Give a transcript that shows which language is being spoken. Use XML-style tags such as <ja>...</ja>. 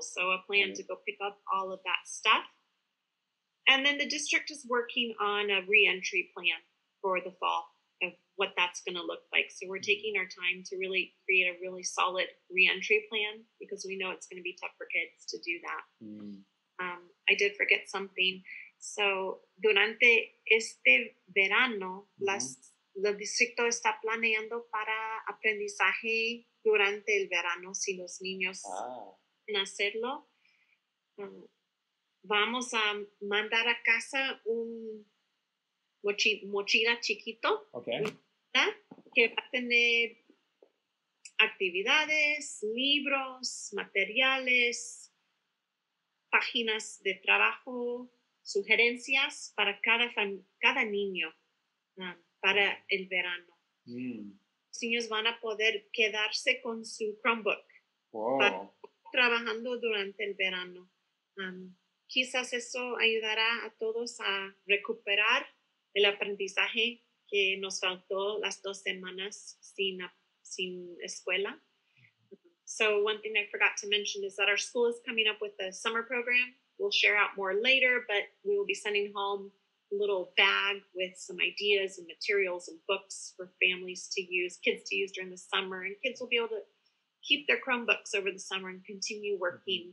<en>So a plan to go pick up all of that stuff. And then the district is working on a reentry plan for the fall of what that's going to look like. So we're taking our time to really create a really solid reentry plan, because we know it's going to be tough for kids to do that. Mm-hmm. I did forget something.</en> <es>So durante este verano, el distrito está planeando para aprendizaje durante el verano, si los niños quieren hacerlo. Vamos a mandar a casa un mochila chiquito.</es> <en>Okay.</en> <es>Que va a tener actividades, libros, materiales, páginas de trabajo, sugerencias para cada niño para el verano. Los niños van a poder quedarse con su Chromebook. Trabajando durante el verano. Quizás eso ayudará a todos a recuperar el aprendizaje que nos faltó las dos semanas sin escuela.</es> <en>So one thing I forgot to mention is that our school is coming up with a summer program. We'll share out more later, but we will be sending home a little bag with some ideas and materials and books for families to use, kids to use during the summer. And kids will be able to keep their Chromebooks over the summer and continue working. Mm-hmm.</en>